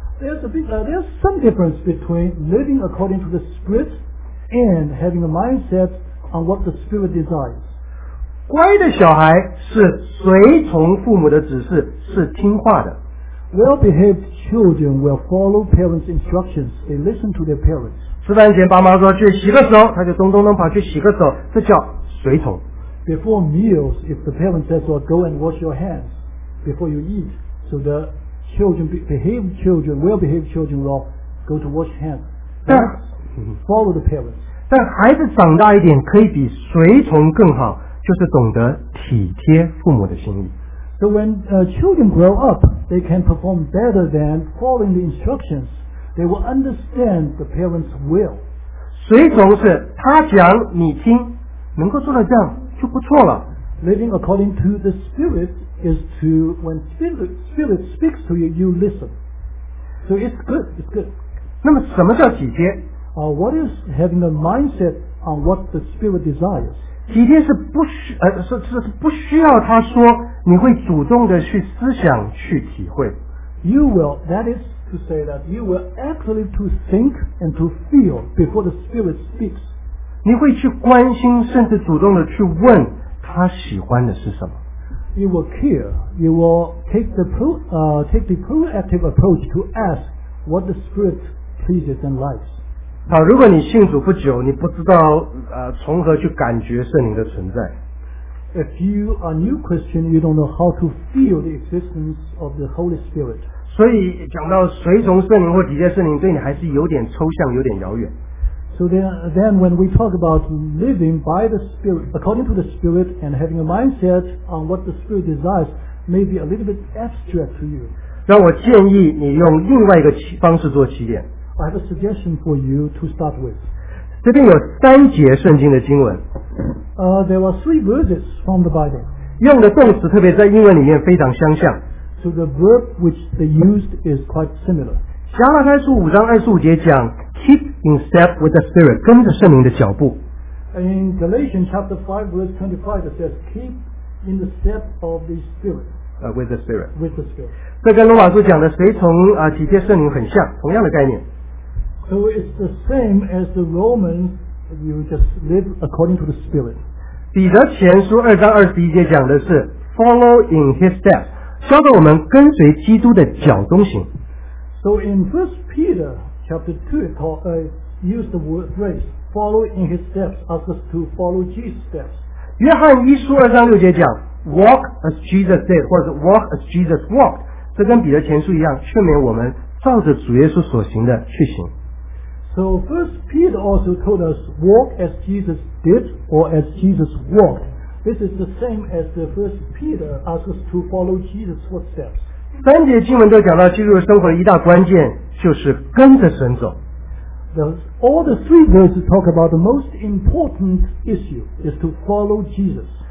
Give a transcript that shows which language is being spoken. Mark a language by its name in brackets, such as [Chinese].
[English] There's some difference between living according to the Spirit and having a mindset on what the Spirit desires. [Chinese] 乖的小孩是随从父母的指示，是听话的。 [English] Well-behaved children will follow parents' instructions. They listen to their parents. [Chinese] 吃饭前爸妈说去洗个手，他就咚咚咚跑去洗个手，这叫随从。 [English] Before meals, if the parent says, well, go and wash your hands before you eat, so the well-behaved children will go to wash hands. Follow the parents. [Chinese] 但孩子长大一点可以比随从更好，就是懂得体贴父母的心意。 [English] So when children grow up, they can perform better than following the instructions. They will understand the parents' will. [Chinese] 随从是他讲你听，能够做到这样就不错了。 [English] Living according to the Spirit is to when Spirit speaks to you, you listen. So it's good, it's good. [Chinese] 那么什么叫体贴？ [English] What is having a mindset on what the Spirit desires? [Chinese] 体贴是不需要他说。你会主动的去思想去体会。 [English] You will, that is to say that you will actually to think and to feel before the Spirit speaks. [Chinese] 你会去关心甚至主动的去问他喜欢的是什么。 [English] You will care. You will take the proactive approach to ask what the Spirit pleases and likes. [Chinese] 好，如果你信主不久，你不知道从何去感觉圣灵的存在。 [English] If you are a new Christian, you don't know how to feel the existence of the Holy Spirit. [Chinese] 所以讲到随从圣灵或体贴圣灵，对你还是有点抽象，有点遥远。 [English] So then when we talk about living by the Spirit, according to the Spirit, and having a mindset on what the Spirit desires, may be a little bit abstract to you. [Chinese] 让我建议你用另外一个方式做起点。 [English] I have a suggestion for you to start with. [Chinese] 这边有三节圣经的经文。 [English] There are three verses from the Bible. [Chinese] 用的动词特别在英文里面非常相像。 [English] So the verb which they used is quite similar. [Chinese] 加拉太书五章二十五节讲 , [English] keep in step with the Spirit, [Chinese] 跟着圣灵的脚步。 [English] In Galatians chapter 5 verse 25, it says, keep in the step of the Spirit. With the Spirit. With the Spirit. [Chinese] 这跟罗马书讲的随从体贴圣灵很像，同样的概念。 [English] So it's the same as the Romans, you just live according to the Spirit. [Chinese] 彼得前书二章二十一节讲的是 [English] follow in his step. [Chinese] 教导我们跟随基督的脚中行。 [English] So in 1 Peter chapter 2, used the word grace, follow in his steps, ask us to follow Jesus' steps. [Chinese] 约翰一书二章六节讲 [English] walk as Jesus did, [Chinese] 或者 [English] walk as Jesus walked, [Chinese] 这跟彼得前书一样，劝勉我们照着主耶稣所行的去行。 [English] So 1 Peter also told us, walk as Jesus did, or as Jesus walked. This is the same as the first Peter asks us to follow Jesus' footsteps. [Chinese] 三节经文都讲到基督生活的一大关键就是跟着神走。 [English] All the three verses talk about the most important issue is to follow Jesus.